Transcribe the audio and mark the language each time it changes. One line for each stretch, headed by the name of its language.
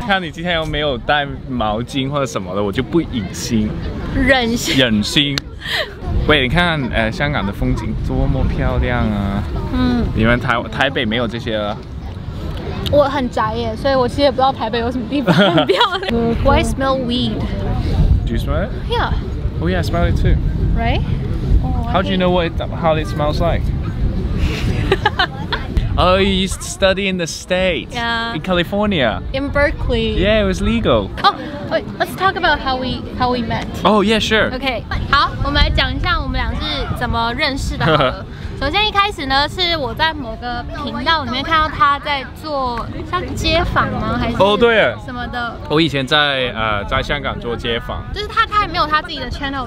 Chinese: 看你今天又没有带毛巾或者什么的，我就不忍心。忍心。忍心。喂，你看，香港的风景多么漂亮啊！嗯。你们台北没有这些了。我很宅耶，所以我其实也不知道台北有什么地方很漂亮。
English: Why smell weed? Do you smell it? Yeah. Oh yeah, I smell it too. Right? Oh, how do you know how it smells like? Oh, you used to study in the States. Yeah. In California. In Berkeley. Yeah, it was legal. Oh, wait, let's talk about how we met. Oh yeah, sure. Okay.
Chinese: 好，我们来讲一下我们俩是怎么认识的。首先一开始呢，是我在某个频道里面看到他在做像街访吗？还是哦对什么的、 oh, ？我以前在在香港做街访，就是他还没有他自己的 channel，